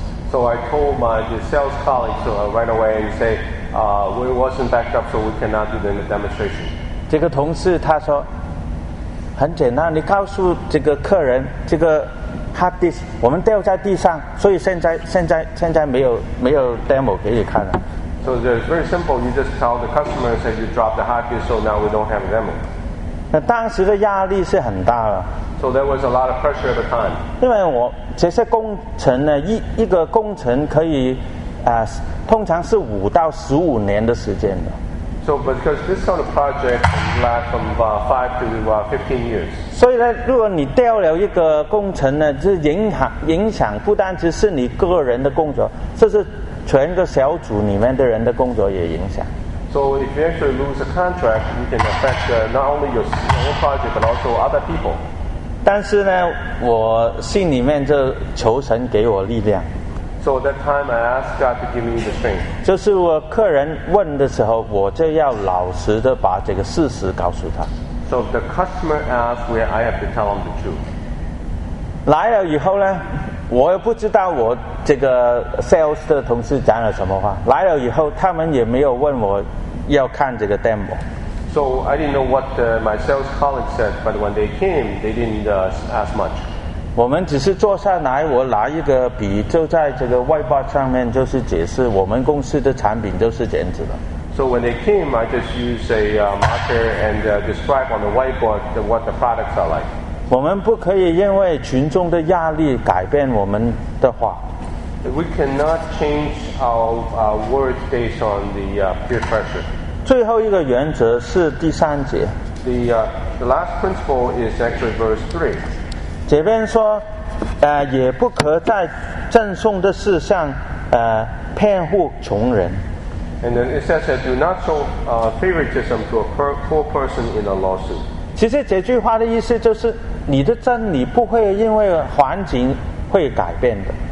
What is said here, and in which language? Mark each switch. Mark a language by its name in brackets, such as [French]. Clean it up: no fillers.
[English] So I told my the sales colleague so right away and say we wasn't backed up, so we cannot do the demonstration. [Chinese] 这个同事他说。很简单，你告诉这个客人，这个 hard disk 我们掉在地上，所以现在没有 demo 给你看了。 [English] So it's very simple. You just tell the customers that you dropped the hard disk, so now we don't have a demo. [Chinese] 那当时的压力是很大的。 [English] So there was a lot of pressure at the time. [Chinese] 因为我这些工程呢，一个工程可以通常是5到15年的时间的。 [English] So, because this sort of project lasts from 5 to 15 years. [Chinese] 所以呢，如果你掉了一个工程呢，就影响不单只是你个人的工作，这是全个小组里面的人的工作也影响。 [English] So, if you actually lose a contract, you can affect not only your project but also other people. [Chinese] 但是呢，我心里面就求神给我力量。 [English] So at that time, I asked God to give me the strength. [Chinese] 就是我客人问的时候，我就要老实的把这个事实告诉他。 [English] So the customer asked where I have to tell him the truth. [Chinese] 来了以后呢，我也不知道我这个 sales 的同事讲了什么话。来了以后，他们也没有问我要看这个 demo。 [English] So I didn't know what my sales colleague said, but when they came, they didn't ask much. [Chinese] 我们只是坐下来，我拿一个笔，就在这个外包上面，就是解释我们公司的产品就是这样子的。 [English] So when they came, I just used a marker and describe on the whiteboard what the products are like. [Chinese] 我们不可以因为群众的压力改变我们的话。 [English] We cannot change our words based on the peer pressure. [Chinese] 最后一个原则是第三节。 [English] The last principle is actually verse 3. [Chinese] 这边说，也不可在赠送的事上骗惑穷人。 [English] And then it says that do not show favoritism to a poor person in a lawsuit. [Chinese] 其实这句话的意思就是你的真理不会因为环境会改变的。